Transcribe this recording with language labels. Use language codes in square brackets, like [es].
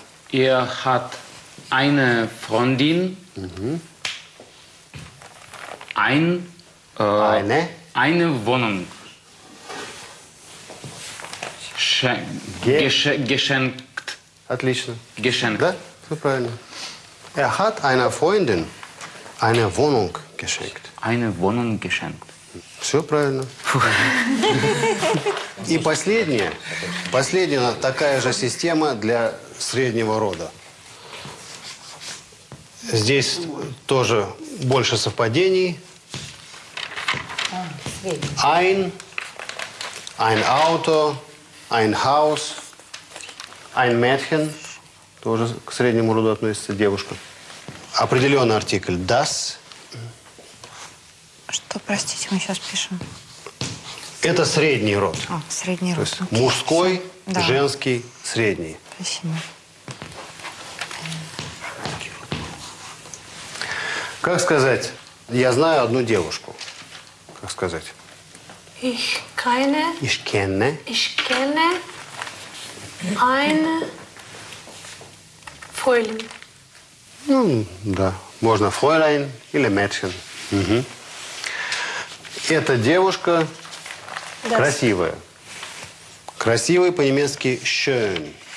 [de] Er hat eine Freundin, eine Wohnung geschenkt. [ru] Отлично. [de] Geschenkt. [ru] Да, все правильно. [de] Hat eine Freundin eine Wohnung geschenkt. Eine Wohnung geschenkt. [ru] Все правильно. И последнее. Последняя такая же система для среднего рода. Здесь тоже больше совпадений. [de] Ein Auto, ein Haus, ein Mädchen. [ru] Тоже к среднему роду относится девушка. Определенный артикль das. Что, простите, мы сейчас пишем? Это средний род. О, средний род. То есть мужской, да. Женский, средний. Спасибо. Как сказать? Я знаю одну девушку. Как сказать? [de] Ich kenne. Ich kenne. Ich kenne eine Fräulein. [ru] Ну, да. Можно Fräulein или Mädchen. Угу. Эта девушка красивая. Красивый по-немецки schön.